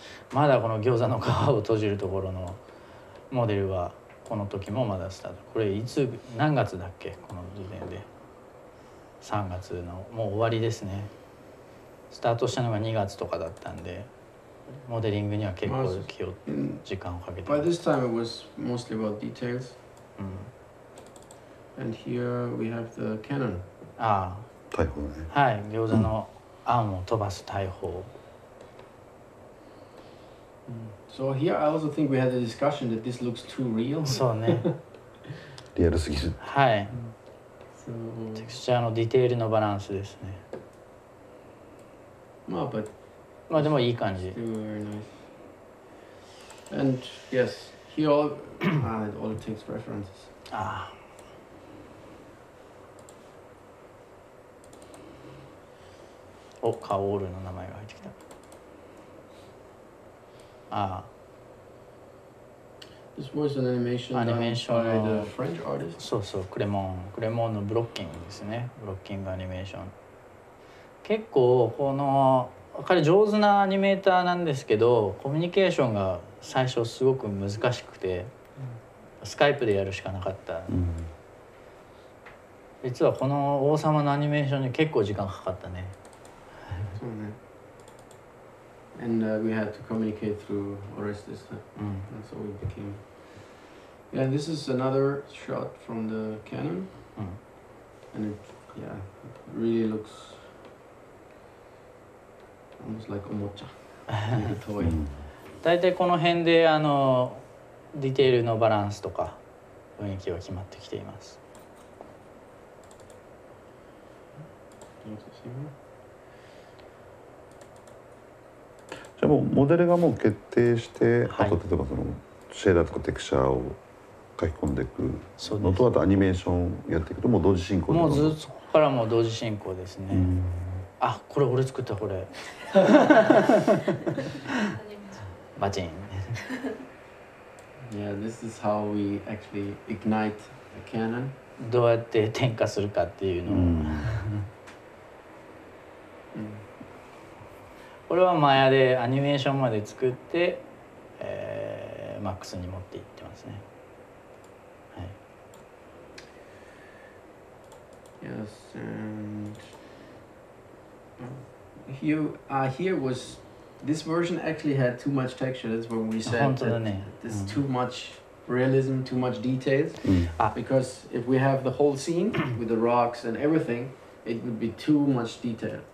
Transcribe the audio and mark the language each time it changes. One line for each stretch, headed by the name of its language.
Japanese: まだこの餃子の皮を閉じるところのモデルはこの時もまだスタート、これいつ何月だっけ、この時点で3月のもう終わりですね。スタートしたのが2月とかだったんで、モデリングには結構気を時間をかけて。
English: By this time it was mostly about details. And here we have the cannon.
Japanese: ああ。大砲ね。はい、餃子の餡を飛ばす大砲。
English: So here I also think we had a discussion that this looks too real.
Japanese: そうね。リアルすぎる。はい。テクスチャーのディテールのバランスですね。まあ、but まあでもいい感じ。
English: And yes, here all it takes references.
Japanese: ああ。お、カオールの名前が入ってきた。ああ。
English: This was an animation by the French artist.
Japanese: そうそう、クレモンのブロッキングですね。ブロッキングアニメーション。結構この彼上手なアニメーターなんですけど、コミュニケーションが最初すごく難しくて、スカイプでやるしかなかった。実はこの王様のアニメーションに結構時間かかったね。そうね。
English: And we had to communicate through Orestes, and so it became. Yeah, this is another shot from the cannon, and it really looks almost like おもちゃ, like a toy.
Japanese: 大体この辺であのディテールのバランスとか雰囲気は決まってきています。じゃあもうモデルがもう決定して、はい、あと例えばそのシェーダーとかテクチャーを書き込んでいくのと、あとアニメーションやっていくと、もう同時進行で、もうずっとここからも同時進行ですね。あ、これ俺作った、これバチン。
English: Yeah, this is how we actually ignite the cannon.
Japanese: どうやって点火するかっていうのを、これはマヤでアニメーションまで作って、MAX に持っていってますね。はい。
English: Yes, and here, here was this version actually had too much texture. That's when we said that,
Japanese: ね、
English: this is too much realism, too much details. Because if we have the whole scene with the rocks and everything, it would be too much detail.